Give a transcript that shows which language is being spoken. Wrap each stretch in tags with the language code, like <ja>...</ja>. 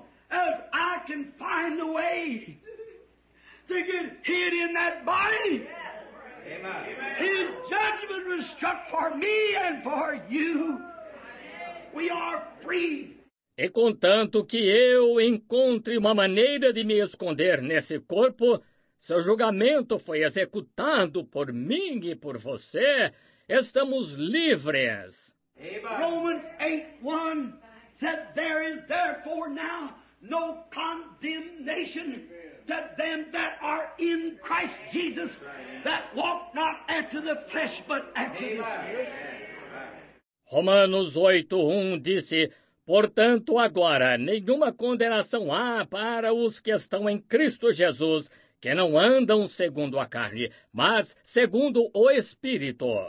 <en>As I can find a way to get hid in that body. Amen. His judgment was struck for me and for you. We are free.</en> <pt>E contanto que eu encontre uma maneira de me esconder nesse corpo, seu julgamento foi executado por mim e por você, estamos livres.</pt> <en>Amen. Romans 8:1 said, there is therefore now no condemnation to them that are in Christ Jesus, that walk not after the flesh, but after the Spirit.</en> <pt>Romanos 8:1 disse: portanto, agora, nenhuma condenação há para os que estão em Cristo Jesus, que não andam segundo a carne, mas segundo o Espírito.</pt>